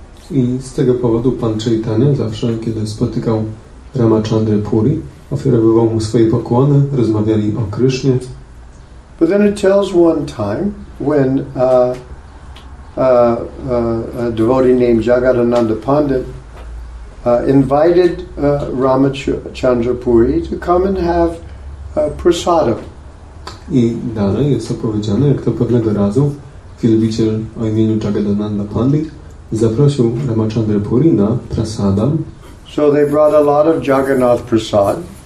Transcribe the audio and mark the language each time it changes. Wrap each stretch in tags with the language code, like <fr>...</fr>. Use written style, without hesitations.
<pl>I z tego powodu pan Chaitanya zawsze, kiedy spotykał Ramachandra Puri, oferował mu swoje pokłony, rozmawiali o Krishnie.</pl> <en>But then it tells one time when a devotee named Jagadananda Pandit invited Ramachandra Puri to come and have prasadam.</en> <pl>I dalej jest opowiedziane, jak to pewnego razu wielbiciel o imieniu Jagadananda Pandit zaprosił Ramachandra Puri na prasadam.</pl> <en>So they brought a lot of Jagannath prasad.</en>